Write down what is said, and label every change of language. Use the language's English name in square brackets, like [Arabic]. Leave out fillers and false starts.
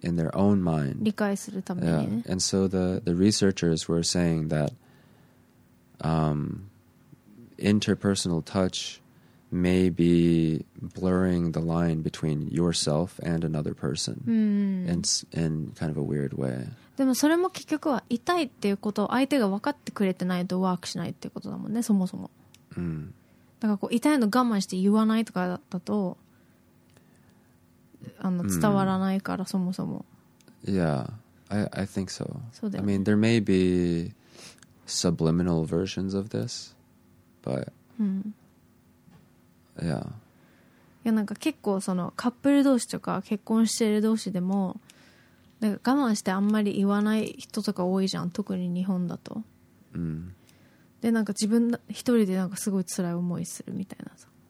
[English] In their own mind. And so the researchers were saying that interpersonal touch may be blurring the line between yourself and another person in kind of a weird way. [Japanese] でもそれも結局は痛いっていうことを相手が分かってくれてないとワークしないっていうことだもんね、そもそも。だからこう痛いの我慢して言わないとかだと、あの伝わらないから、そもそも。 [English] Yeah, I think so. [Japanese] そうだよね。 [English] I mean, there may be subliminal versions of this, but... Yeah. [Japanese] いやなんか結構そのカップル同士とか結婚してる同士でもなんか我慢してあんまり言わない人とか多いじゃん、特に日本だと。でなんか自分一人でなんかすごい辛い思いするみたいなさ。